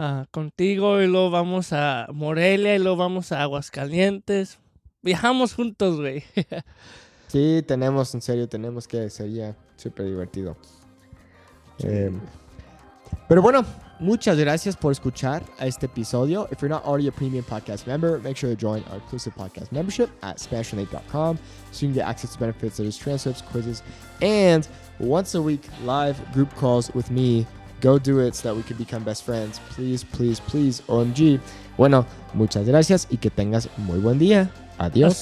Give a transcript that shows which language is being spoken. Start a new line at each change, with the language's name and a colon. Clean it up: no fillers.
Spanish: contigo y luego vamos a Morelia y luego vamos a Aguascalientes. Viajamos juntos, güey. Sí, tenemos que, sería súper divertido. Pero bueno, muchas gracias por escuchar a este episodio.
English: If you're not already a premium podcast member, make sure to join our exclusive podcast membership at SpanishNate.com so you can get access to benefits such as transcripts, quizzes, and once a week live group calls with me. Go do it so that we can become best friends. Please, please, please, OMG.
Spanish: Bueno, muchas gracias y que tengas muy buen día. Adiós.